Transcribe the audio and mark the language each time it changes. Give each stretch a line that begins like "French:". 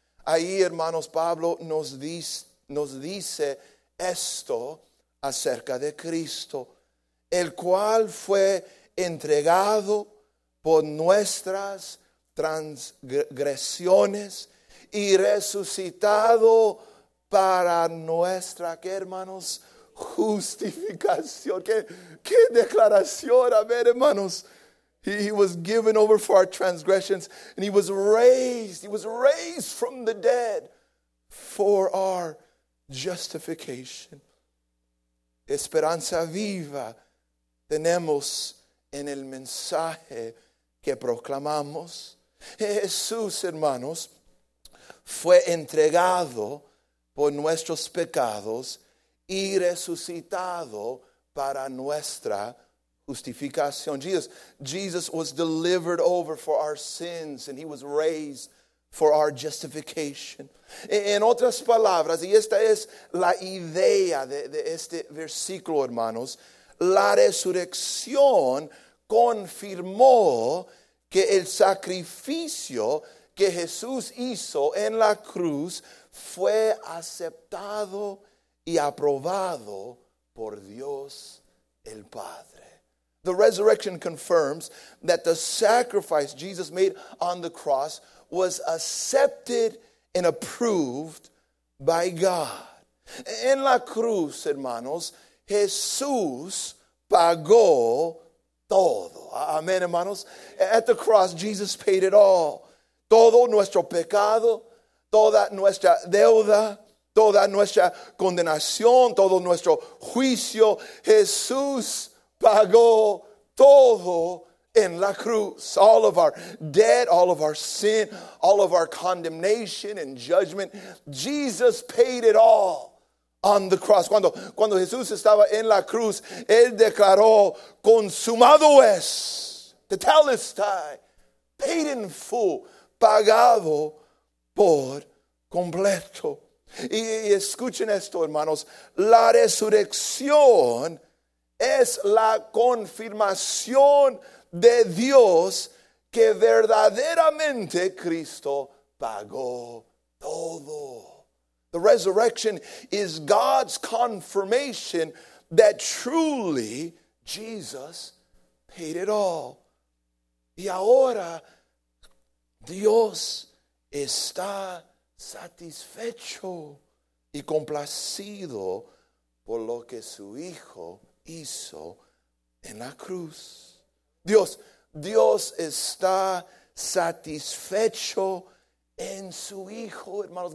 Spanish: Ahí, hermanos, Pablo nos dice esto acerca de Cristo, el cual fue entregado por nuestras transgresiones y resucitado para nuestra, ¿qué, hermanos? Justificación. ¿Qué declaración? A ver, hermanos.
English: He was given over for our transgressions and he was raised. He was raised from the dead for our justification.
Spanish: Esperanza viva tenemos en el mensaje que proclamamos. Jesús, hermanos, fue entregado por nuestros pecados y resucitado para nuestra justificación.
English: Jesus was delivered over for our sins and he was raised for our justification.
Spanish: En otras palabras, y esta es la idea de este versículo, hermanos, la resurrección confirmó que el sacrificio que Jesús hizo en la cruz fue aceptado y aprobado por Dios el Padre.
English: The resurrection confirms that the sacrifice Jesus made on the cross was accepted and approved by God.
Spanish: En la cruz, hermanos, Jesús pagó todo. Amén, hermanos.
English: At the cross, Jesus paid it all.
Spanish: Todo nuestro pecado, toda nuestra deuda, toda nuestra condenación, todo nuestro juicio, Jesús pagó todo en la cruz.
English: All of our debt, all of our sin, all of our condemnation and judgment, Jesus paid it all on the cross.
Spanish: Cuando Jesús estaba en la cruz, él declaró, consumado es, tetelestai,
English: paid in full,
Spanish: pagado por completo. Y escuchen esto, hermanos. La resurrección es la confirmación de Dios que verdaderamente Cristo pagó todo.
English: The resurrection is God's confirmation that truly Jesus paid it all.
Spanish: Y ahora Dios está satisfecho y complacido por lo que su Hijo hizo en la cruz. Dios está satisfecho en su Hijo, hermanos.